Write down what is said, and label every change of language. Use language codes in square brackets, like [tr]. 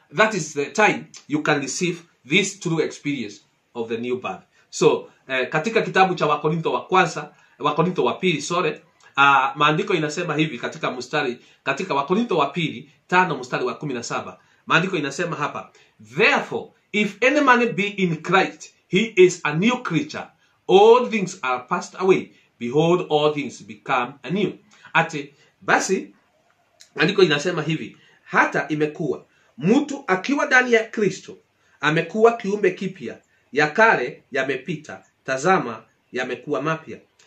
[en] That is the time you can receive this true experience of the new birth. [sw] So, katika kitabu cha Wakorintho wa pili, maandiko inasema hivi katika mstari, katika Wakorintho wa pili, 5 mstari wa 17. Maandiko inasema hapa, [en] therefore, if any man be in Christ, he is a new creature. All things are passed away. Behold, all things become anew. [sw] Ati, basi, maandiko inasema hivi, hata imekuwa, mtu akiwa ndani ya Kristo, amekuwa kiumbe kipya, ya kale yamepita, tazama yamekuwa mapya.